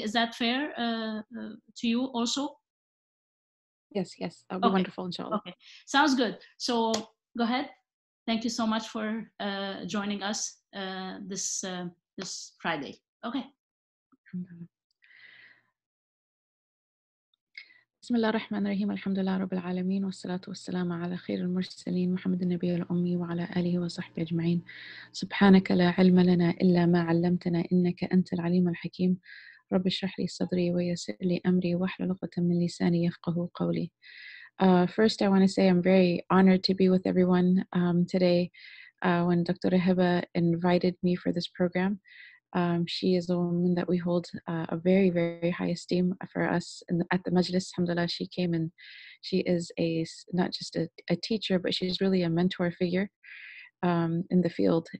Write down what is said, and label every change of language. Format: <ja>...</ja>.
<en>Is that fair to you also? Yes, that would be wonderful, inshallah. Okay, sounds good. So go ahead. Thank you so much for joining us this Friday. Okay.</en> <ar>بسم الله الرحمن الرحيم الحمد لله رب العالمين والصلاة والسلام على خير المرسلين محمد النبي الأمي وعلى آله وصحبه أجمعين سبحانك لا علم لنا إلا ما علمتنا إنك أنت العليم الحكيم رب اشرح لي صدري ويسر لي أمري واحلل عقدة من لساني يفقهوا قولي.</ar> <en>First, I want to say I'm very honored to be with everyone today. When Dr. Hiba invited me for this program, she is a woman that we hold a very, very high esteem for us at the Majlis. Alhamdulillah, she came and she is not just a teacher, but she's really a mentor figure in the field.</en>